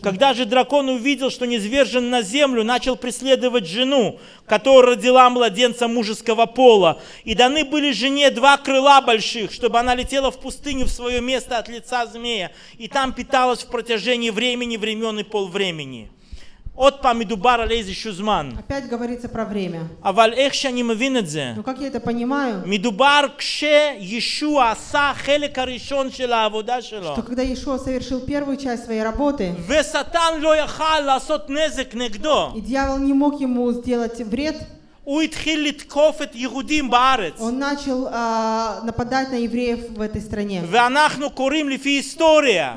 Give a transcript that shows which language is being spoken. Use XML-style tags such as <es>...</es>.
<ru>Когда же дракон увидел, что низвержен на землю, начал преследовать жену, которая родила младенца мужеского пола. И даны были жене два крыла больших, чтобы она летела в пустыню в свое место от лица змея. И там питалась в протяжении времени, времен и полвремени.</ru> <he>עוד פעם מדובר על איזשהו זמן.</he> <ru>Опять говорится про время.</ru> <he>אבל איך שאני מבין את זה?</he> <ru>Ну как я это понимаю?</ru> <he>מדובר כשישוע עשה חלק הראשון של העבודה שלו.</he> <ru>Что когда Иешуа совершил первую часть своей работы.</ru> <he>וסטן לא יכל לעשות נזק נגדו.</he> <ru>И дьявол не мог ему сделать вред.</ru> <he>הוא התחיל לתקוף את יהודים בארץ.</he> <ru>Он начал нападать на евреев в этой стране.</ru> <he>ואנחנו קוראים לפי היסטוריה.</he>